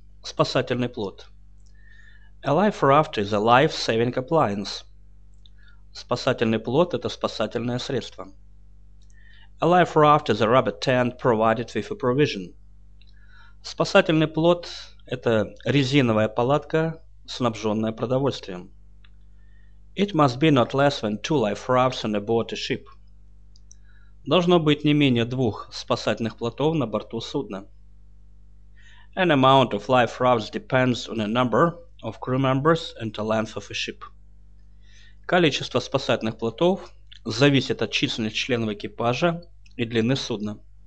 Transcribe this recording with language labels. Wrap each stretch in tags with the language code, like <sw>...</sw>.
<ru>Спасательный плот.</ru> <en>A life raft is a life-saving appliance.</en> <ru>Спасательный плот – это спасательное средство.</ru> <en>A life raft is a rubber tent provided with a provision.</en> <ru>Спасательный плот – это резиновая палатка, снабженная продовольствием.</ru> <en>It must be not less than two life rafts on a board a ship.</en> <ru>Должно быть не менее двух спасательных плотов на борту судна.</ru> <en>An amount of life rafts depends on a number of crew members and the length of a ship.</en> <ru>Количество спасательных плотов зависит от численности членов экипажа и длины судна.</ru>